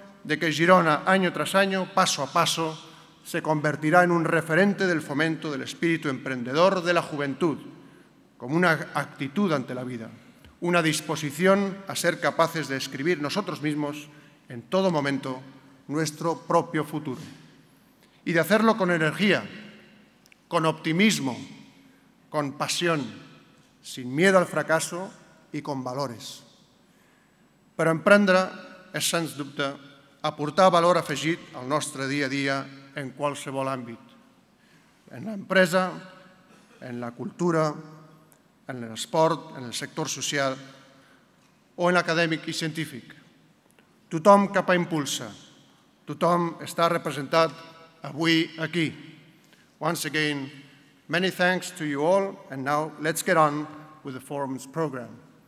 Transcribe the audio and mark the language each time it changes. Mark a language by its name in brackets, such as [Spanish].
[Spanish] de que Girona, año tras año, paso a paso, se convertirá en un referente del fomento del espíritu emprendedor de la juventud, como una actitud ante la vida, una disposición a ser capaces de escribir nosotros mismos, en todo momento, nuestro propio futuro. Y de hacerlo con energía, con optimismo, con pasión, sin miedo al fracaso y con valores. [Catalan] Però emprendre és, sens dubte, aportar valor afegit al nostre dia a dia en qualsevol àmbit. En l'empresa, en la cultura, en l'esport, en el sector social o en l'acadèmic i científic. Tothom cap a impulsa. Tothom està representat avui aquí. [English] Once again, many thanks to you all, and now let's get on with the forum's program.